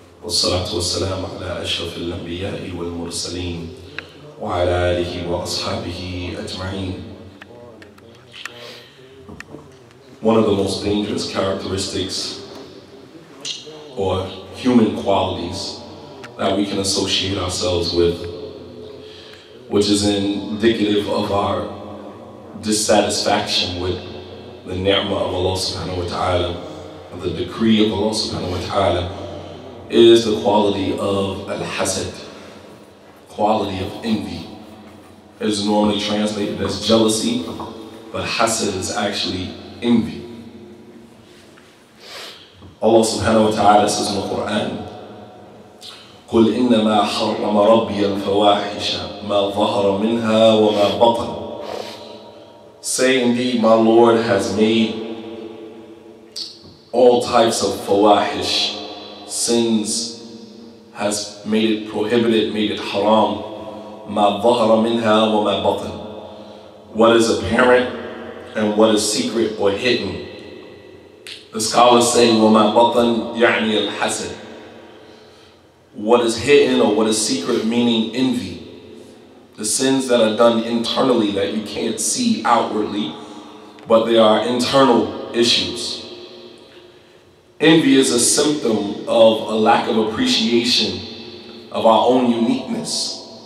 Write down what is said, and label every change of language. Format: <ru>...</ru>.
<ar>والصلاة والسلام على أشرف الأنبياء والمرسلين وعلى آله وأصحابه أجمعين.</ar> <en>One of the most dangerous characteristics or human qualities that we can associate ourselves with, which is indicative of our dissatisfaction with the ni'mah of Allah subhanahu wa ta'ala, the decree of Allah subhanahu wa ta'ala, is the quality of al-hasad, quality of envy. It is normally translated as jealousy, but hasad is actually envy. Allah subhanahu wa ta'ala says in the Quran,</en> <ar>قُلْ إِنَّمَا حَرَّمَ رَبِّيَ الْفَوَاحِشَ مَا ظَهَرَ مِنْهَا وَمَا بَطَنَ.</ar> <en>Say, indeed, my Lord has made all types of fawahish, sins, has made it prohibited, made it haram.</en> <ar>مَا ظَهَرَ مِنْهَا وَمَا بَطَنَ.</ar> <en>What is apparent and what is secret or hidden. The scholars say,</en> <ar>وَمَا بَطَنْ يَعْنِي الْحَسَدْ.</ar> <en>What is hidden or what is secret, meaning envy. The sins that are done internally that you can't see outwardly, but they are internal issues. Envy is a symptom of a lack of appreciation of our own uniqueness.</en>